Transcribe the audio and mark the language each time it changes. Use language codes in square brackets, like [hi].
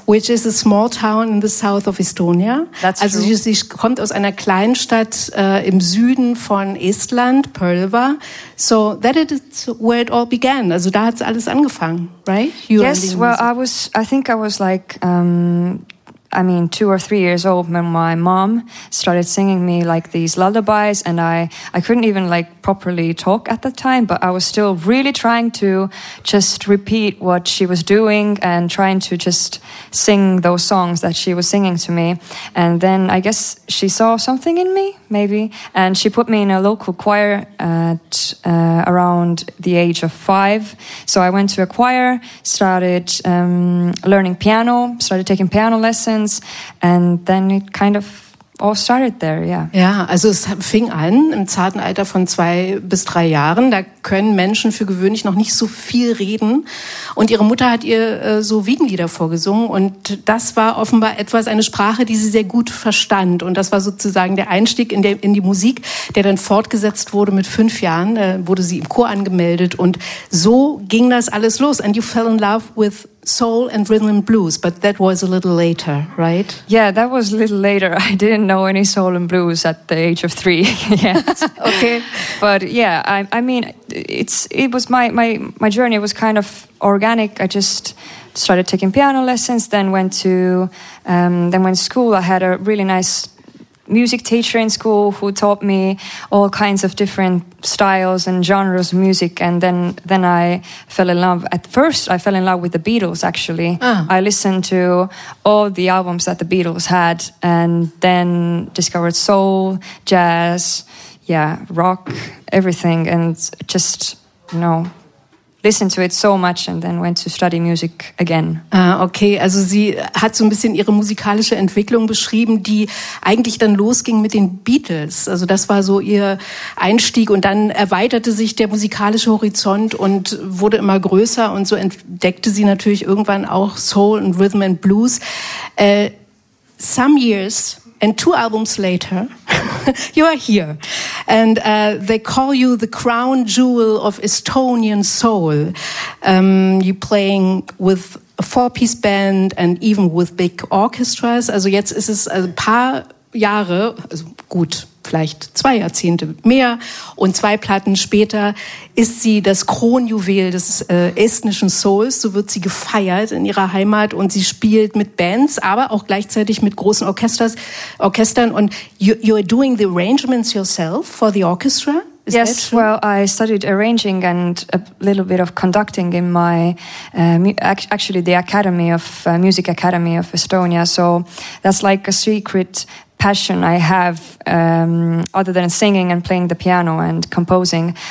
[en] Which is a small town in the south of Estonia. That's also true. [de] Also sie kommt aus einer kleinen Stadt im Süden von Estland, Pölwa. [en] So that is where it all began. [de] Also da hat's alles angefangen, [en] right? You yes, well, I was, I think I was like, I mean, 2 or 3 years old when my mom started singing me like these lullabies and I couldn't even like properly talk at the time, but I was still really trying to just repeat what she was doing and trying to just sing those songs that she was singing to me. And then I guess she saw something in me, maybe, and she put me in a local choir at around the age of 5. So I went to a choir, started learning piano, started taking piano lessons. And then it kind of all started there, yeah. [de] Ja, also es fing an im zarten Alter von 2 bis 3 Jahren. Da können Menschen für gewöhnlich noch nicht so viel reden. Und ihre Mutter hat ihr so Wiegenlieder vorgesungen. Und das war offenbar etwas, eine Sprache, die sie sehr gut verstand. Und das war sozusagen der Einstieg in die Musik, der dann fortgesetzt wurde mit 5 Jahren. Da wurde sie im Chor angemeldet. Und so ging das alles los. [en] And you fell in love with soul and rhythm and blues, but that was a little later, right? Yeah, that was a little later. I didn't know any soul and blues at the age of 3 yet. Okay. But yeah, I mean, it was my journey was kind of organic. I just started taking piano lessons, then went to school. I had a really nice music teacher in school who taught me all kinds of different styles and genres of music, and then I fell in love. At first, I fell in love with the Beatles, actually. Oh. I listened to all the albums that the Beatles had and then discovered soul, jazz, yeah, rock, everything, and just, you know, listened to it so much and then went to study music again. Ah, okay. [de] Also sie hat so ein bisschen ihre musikalische Entwicklung beschrieben, die eigentlich dann losging mit den Beatles. Also das war so ihr Einstieg und dann erweiterte sich der musikalische Horizont und wurde immer größer und so entdeckte sie natürlich irgendwann auch Soul und Rhythm and Blues. [en] Some years and 2 albums later, you are here. And they call you the crown jewel of Estonian soul. You're playing with a 4-piece band and even with big orchestras. [de] Also jetzt ist es ein paar Jahre, also gut, vielleicht 2 Jahrzehnte mehr. Und 2 Platten später ist sie das Kronjuwel des estnischen Souls. So wird sie gefeiert in ihrer Heimat. Und sie spielt mit Bands, aber auch gleichzeitig mit großen Orchestern. [en] Und you're doing the arrangements yourself for the orchestra? Is yes, well, I studied arranging and a little bit of conducting in my, actually the Academy of Music Academy of Estonia. So that's like a secret passion I have other than singing and playing the piano and composing.